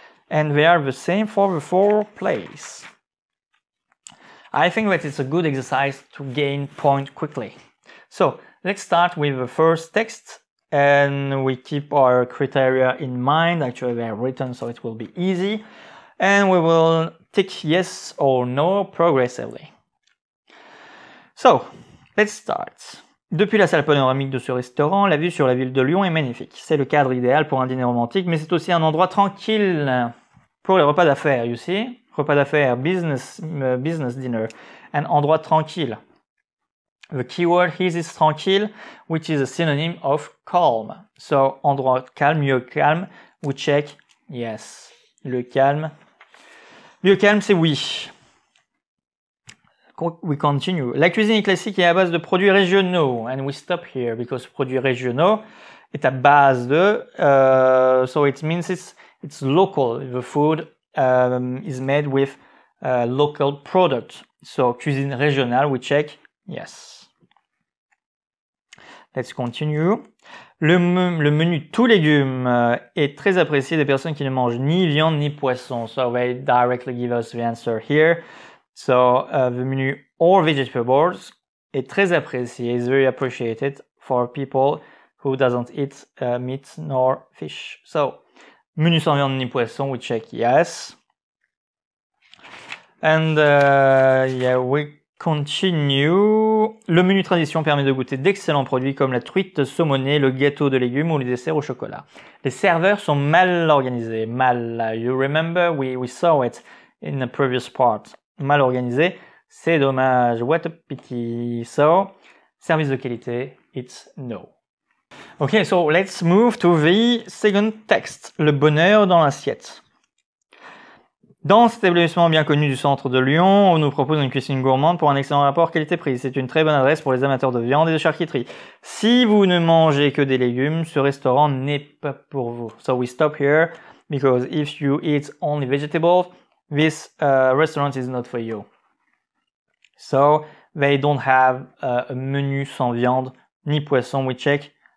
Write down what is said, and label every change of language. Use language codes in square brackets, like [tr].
[en] And they are the same for the four plays. I think that it's a good exercise to gain points quickly. So, let's start with the first text. And we keep our criteria in mind. Actually, they are written, so it will be easy. And we will tick yes or no progressively. So, let's start. [fr] Depuis la salle panoramique de ce restaurant, la vue sur la ville de Lyon est magnifique. C'est le cadre idéal pour un dîner romantique, mais c'est aussi un endroit tranquille pour les repas d'affaires, [en] you see? [fr] Repas d'affaires, [en] business dinner, [fr] un endroit tranquille. [en] The keyword here is tranquille, which is a synonym of calm. So, [fr] endroit calme, lieu calme, [en] we check, yes. [fr] Le calme, lieu calme, c'est oui. [en] We continue. [fr] La cuisine est classique et à base de produits régionaux. [en] And we stop here, because [fr] produits régionaux est à base de... [en] So it means it's local, the food is made with local product. So, [fr] cuisine régionale, [en] we check, yes. Let's continue. [fr] Le menu tout légumes est très apprécié des personnes qui ne mangent ni viande ni poisson. [en] So, they directly give us the answer here. So, the menu all vegetables [fr] est très apprécié, [en] is very appreciated for people who doesn't eat meat nor fish. So, [fr] menu sans viande ni poisson, [en] we check yes. And yeah, we continue. [fr] Le menu tradition permet de goûter d'excellents produits comme la truite saumonée, le gâteau de légumes ou le dessert au chocolat. Les serveurs sont mal organisés. [en] Mal, you remember, we saw it in the previous part. [fr] Mal organisé, c'est dommage. [en] What a pity. So, [fr] service de qualité, [en] it's no. Okay, so let's move to the second text, Le bonheur dans l'assiette. [fr] Dans cet établissement bien connu du centre de Lyon, on nous propose une cuisine gourmande pour un excellent rapport qualité-prix. C'est une très bonne adresse pour les amateurs de viande et de charcuterie. Si vous ne mangez que des légumes, ce restaurant n'est pas pour vous. [en] So we stop here, because if you eat only vegetables, this restaurant is not for you. So they don't have a [fr] menu sans viande, ni poisson, [en] we check.